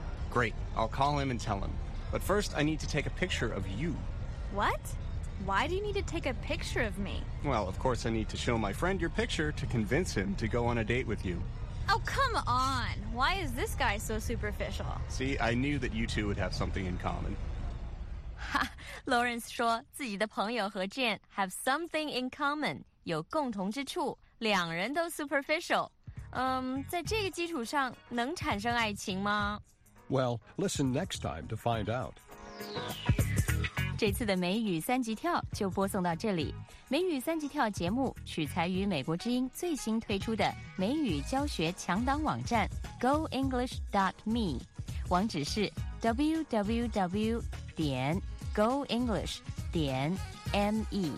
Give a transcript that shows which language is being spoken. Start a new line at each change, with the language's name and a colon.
English: Great. I'll call him and tell him. But first, I need to take a picture of you. What? Why do you need to take a picture of me? Well, of course, I need to show my friend your picture to convince him to go on a date with you. Oh, come on. Why is this guy so superficial? See, I knew that you two would have something in common.
Chinese: Ha, Lawrence 说自己的朋友和 Jen
English: have something in common,
Chinese: 有共同之处，两人都 superficial. 在这个基础上能产生爱情吗？
English: Well, listen next time to find out.
Chinese: 这次的美语三级跳就播送到这里。美语三级跳节目取材于美国之音最新推出的美语教学强档网站 goenglish.me， 网址是 www.goenglish.me。